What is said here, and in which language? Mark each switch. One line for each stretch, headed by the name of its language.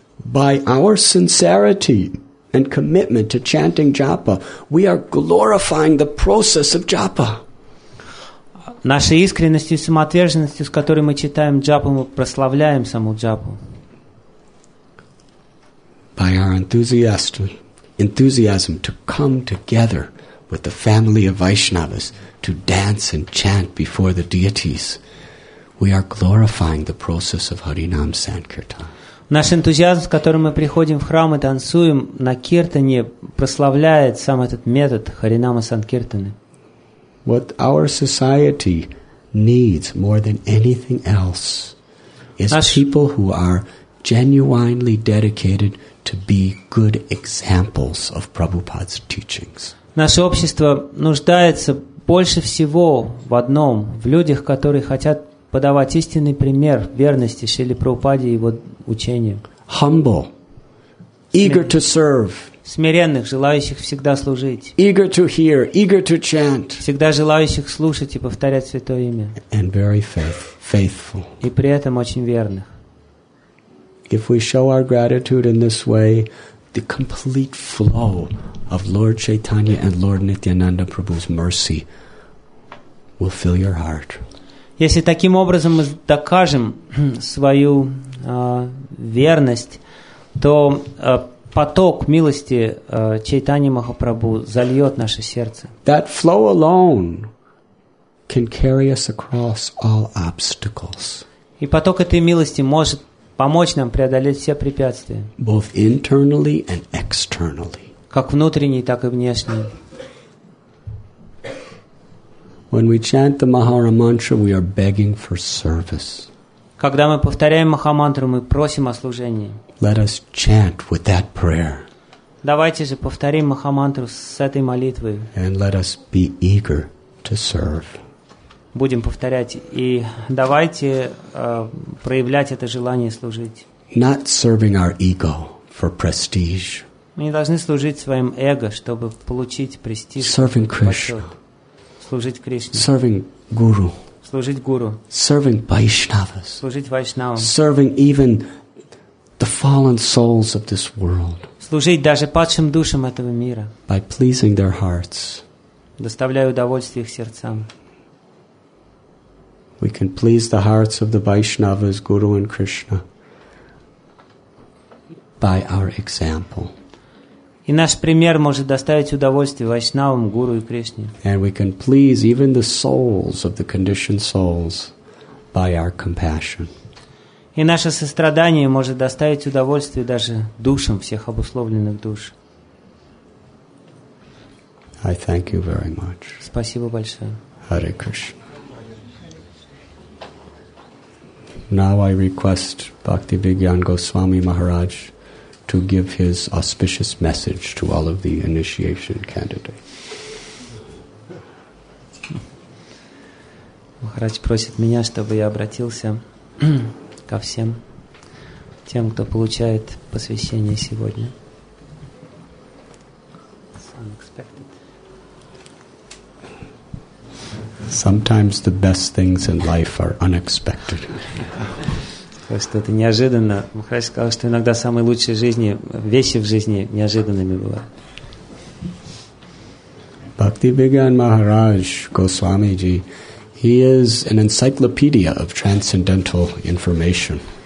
English: By our sincerity and commitment to chanting japa, we are glorifying the process of japa.
Russian: Нашей искренностью и самоотверженностью, с которой мы читаем джапу, мы прославляем саму джапу.
English: By our enthusiasm to come together with the family of Vaishnavas to dance and chant before the deities, we are glorifying the process of Harinam Sankirtan.
Russian: Наш энтузиазм, с которым мы приходим в храм и танцуем на киртане, прославляет сам этот метод Харинама Санкиртаны.
English: What our society needs more than anything else is people who are genuinely dedicated to be good examples of Prabhupada's teachings.
Russian: Наше общество нуждается больше всего в одном, в людях, которые хотят подавать истинный пример верности Шриле Прабхупаде и его учениям.
English: Humble, eager to serve.
Russian: Смиренных, желающих всегда служить.
English: Eager to hear, eager to chant.
Russian: Всегда желающих слушать и повторять святое имя.
English: And very faithful.
Russian: И при этом очень верных.
English: If we show our gratitude in this way, the complete flow of Lord Chaitanya and Lord Nityananda Prabhu's mercy will fill your heart.
Russian: Если таким образом мы докажем свою верность, то поток милости Чайтани Махапрабху зальет наше сердце.
English: That flow alone can carry us across all obstacles.
Russian: И поток этой милости может помочь нам преодолеть все препятствия.
English: Both internally and externally.
Russian: Как внутренние, так и внешние.
English: When we chant the Mahara Mantra, we are begging for service.
Russian: Когда мы повторяем Махамантру, мы просим о служении.
English: Let us chant with that prayer.
Russian: Давайте же повторим Махамантру с этой молитвой.
English: And let us be eager to serve.
Russian: Будем повторять. И давайте проявлять это желание служить.
English: Not serving our ego for prestige.
Russian: Мы не должны служить своим эго, чтобы получить престиж.
English: Serving Krishna.
Russian: Служить Кришне.
English: Serving Guru.
Russian: Служить Гуру.
English: Serving Vaishnavas.
Russian: Служить Вайшнавам.
English: Serving even the fallen souls of this world.
Russian: Служить даже падшим душам этого мира.
English: By pleasing their hearts.
Russian: Доставляя удовольствие их сердцам.
English: We can please the hearts of the Vaishnavas, Guru and Krishna, by our example.
Russian: И наш пример может доставить удовольствие Вайшнавам, Гуру и Кришне.
English: And we can please even the souls of the conditioned souls by our compassion.
Russian: И наше сострадание может доставить удовольствие даже душам всех обусловленных душ.
English: I thank you very much.
Russian: Спасибо большое.
English: Hare Krishna. Now I request Bhakti Vigyan Goswami Maharaj to give his auspicious message to all of the initiation candidates.
Russian: Махарадж просит меня, чтобы я обратился ко всем тем, кто получает посвящение сегодня.
English: Sometimes the best things in life are unexpected.
Russian: Просто это неожиданно. Махарадж сказал, что иногда самые лучшие жизни, вещи в жизни неожиданными бывают.
English: Бхактивиган Махарадж Госвамиджи, he is an encyclopedia of transcendental information.